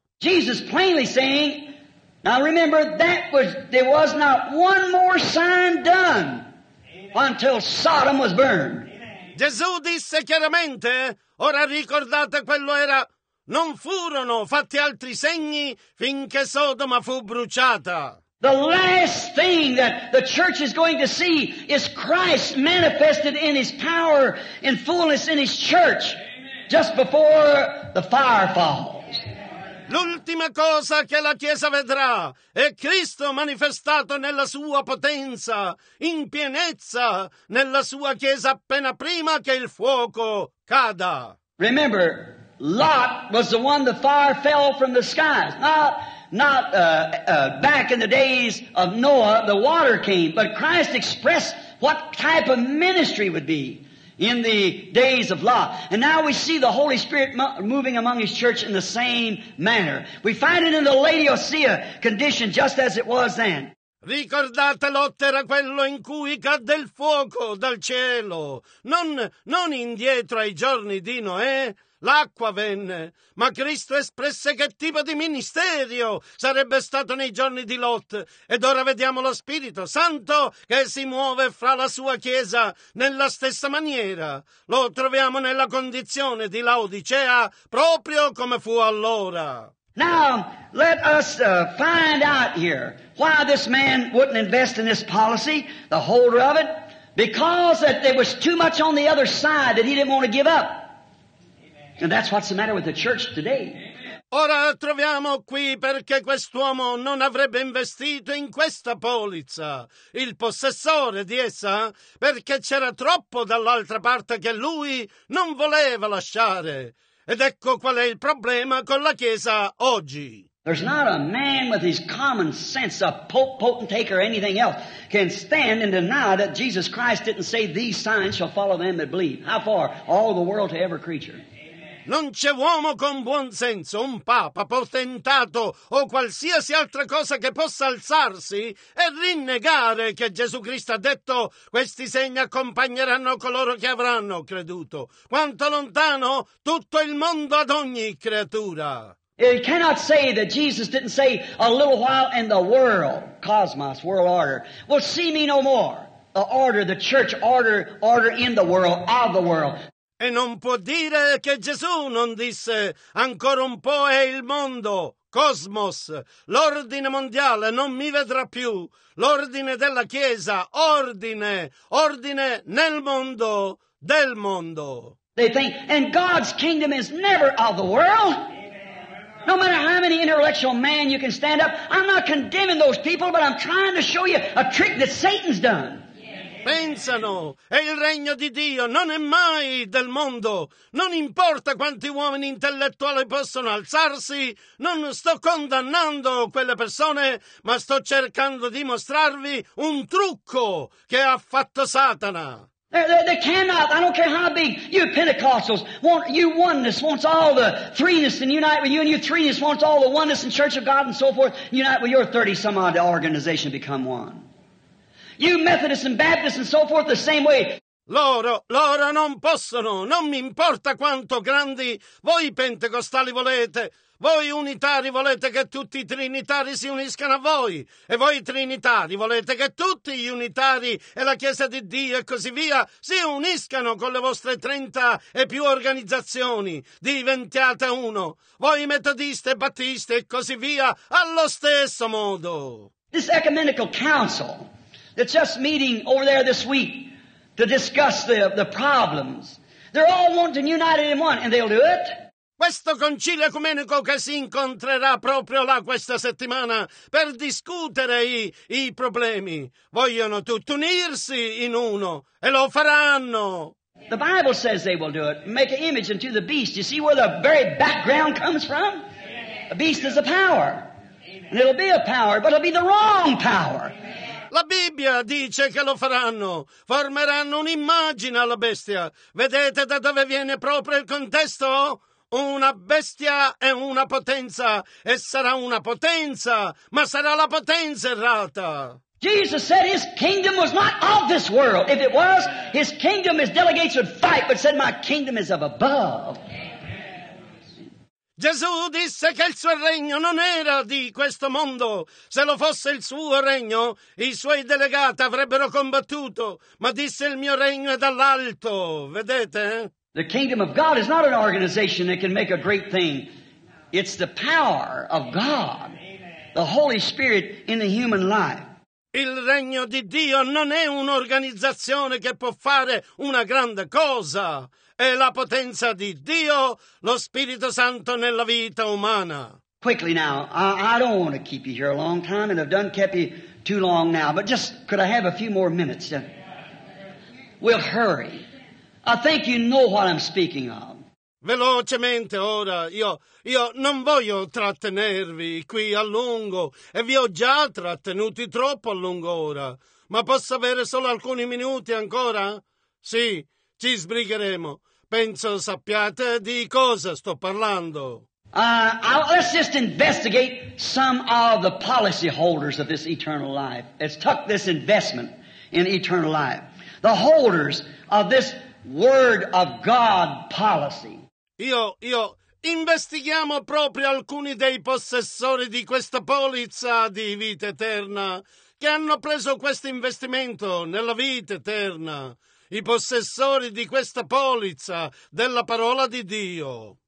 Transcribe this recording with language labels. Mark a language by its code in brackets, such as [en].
[en] Jesus plainly saying, now remember, that was, there was not one more sign done until Sodom was burned. [it] Gesù disse chiaramente, ora ricordate quello era... Non furono fatti altri segni finché Sodoma fu bruciata. [en] The last thing that the church is going to see is Christ manifested in his power and fullness in his church. Amen. Just before the fire falls. [it] L'ultima cosa che la Chiesa vedrà è Cristo manifestato nella sua potenza, in pienezza, nella sua Chiesa appena prima che il fuoco cada. [en] Remember, Lot was the one the fire fell from the skies. Not back in the days of Noah, the water came. But Christ expressed what type of ministry would be in the days of Lot. And now we see the Holy Spirit moving among His church in the same manner. We find it in the Laodicea condition just as it was then. [it] Ricordate, Lot era quello in cui cadde il fuoco dal cielo. Non indietro ai giorni di Noè. L'acqua venne, ma Cristo espresse che tipo di ministerio sarebbe stato nei giorni di Lot. Ed ora vediamo lo Spirito Santo che si muove fra la sua Chiesa nella stessa maniera. Lo troviamo nella condizione di Laodicea, proprio come fu allora. [en] Now, let us find out here why this man wouldn't invest in this policy, the holder of it, because that there was too much on the other side that he didn't want to give up. And that's what's the matter with the church today. [it] Ora troviamo qui perché quest'uomo non avrebbe investito in questa polizza, il possessore di essa, perché c'era troppo dall'altra parte che lui non voleva lasciare. Ed ecco qual è il problema con la Chiesa oggi. [en] There's not a man with his common sense, a pope, potentate, or anything else, can stand and deny that Jesus Christ didn't say, these signs shall follow them that believe. How far? All the world to every creature. [it] Non c'è uomo con buon senso, un papa, potentato o qualsiasi altra cosa che possa alzarsi e rinnegare che Gesù Cristo ha detto questi segni accompagneranno coloro che avranno creduto. Quanto lontano tutto il mondo ad ogni creatura. [en] It cannot say that Jesus didn't say a little while and the world, cosmos, world order, will see me no more. The order, the church order, order in the world, of the world. [it] E non può dire che Gesù non disse ancora un po' è il mondo, cosmos, l'ordine mondiale non mi vedrà più, l'ordine della Chiesa, ordine, ordine nel mondo, del mondo. [en] They think, and God's kingdom is never of the world. No matter how many intellectual man you can stand up, I'm not condemning those people, but I'm trying to show you a trick that Satan's done. [it] Pensano, è il regno di Dio, non è mai del mondo. Non importa quanti uomini intellettuali possono alzarsi, non sto condannando quelle persone, ma sto cercando di mostrarvi un trucco che ha fatto Satana. [en] They cannot, I don't care how big, you Pentecostals, want, you oneness wants all the threeness and unite with you, and you threeness wants all the oneness and church of God and so forth, unite with your 30-some-odd organization become one. You Methodists and Baptists and so forth the same way. [it] Loro non possono. Non mi importa quanto grandi voi pentecostali volete. Voi unitari volete che tutti i trinitari si uniscano a voi. E voi trinitari volete che tutti gli unitari e la Chiesa di Dio e così via si uniscano con le vostre 30 e più organizzazioni. Diventiate uno. Voi metodisti e battisti e così via allo stesso modo. [en] This ecumenical council that's just meeting over there this week to discuss the problems. They're all wanting united in one, and they'll do it. [it] Questo concilio ecumenico che si incontrerà proprio là questa settimana per discutere i problemi. Vogliono tutti unirsi in uno, e lo faranno. [en] The Bible says they will do it. Make an image unto the beast. You see where the very background comes from? A beast is a power. And it'll be a power, but it'll be the wrong power. [it] La Bibbia dice che lo faranno, formeranno un'immagine alla bestia. Vedete da dove viene proprio il contesto? Una bestia è una potenza, e sarà una potenza, ma sarà la potenza errata. [en] Jesus said his kingdom was not of this world. If it was, his kingdom, his delegates would fight, but said, my kingdom is of above. [it] Gesù disse che il suo regno non era di questo mondo. Se lo fosse il suo regno, i suoi delegati avrebbero combattuto. Ma disse, il mio regno è dall'alto. Vedete? [en] The kingdom of God is not an organization that can make a great thing. It's the power of God, the Holy Spirit in the human life. [it] Il regno di Dio non è un'organizzazione che può fare una grande cosa. È la potenza di Dio, lo Spirito Santo nella vita umana. [en] Quickly now, I don't want to keep you here a long time, and I've done kept you too long now, but just could I have a few more minutes? We'll hurry. I think you know what I'm speaking of. [it] Velocemente ora, io non voglio trattenervi qui a lungo, e vi ho già trattenuti troppo a lungo ora, ma posso avere solo alcuni minuti ancora? Sì. Ci sbrigheremo. Penso sappiate di cosa sto parlando. [en] Let's just investigate some of the policy holders of this eternal life. Let's tuck this investment in eternal life. The holders of this Word of God policy. [it] Io investighiamo proprio alcuni dei possessori di questa polizza di vita eterna che hanno preso questo investimento nella vita eterna. I possessori di questa polizza della parola di Dio.